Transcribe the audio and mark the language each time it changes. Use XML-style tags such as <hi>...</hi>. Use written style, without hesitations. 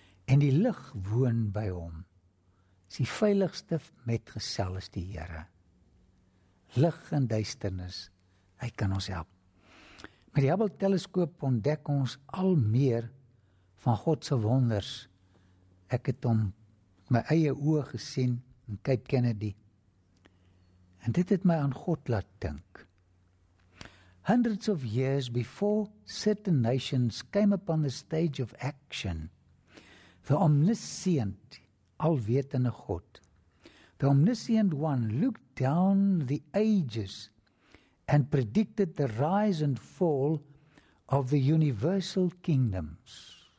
<af>En die lig woon by hom. Is die veiligste metgesel is die Here. Lig en duisternis, hy kan ons help. Met die Hubble-teleskoop ontdek ons al meer van God se wonders. Ek het hom my eie oë gesien in Cape Kennedy. En dit het my aan God laat dink.</af> <en>Hundreds of years before certain nations came upon the stage of action, the omniscient, alwetende God, the omniscient one looked down the ages and predicted the rise and fall of the universal kingdoms.</en>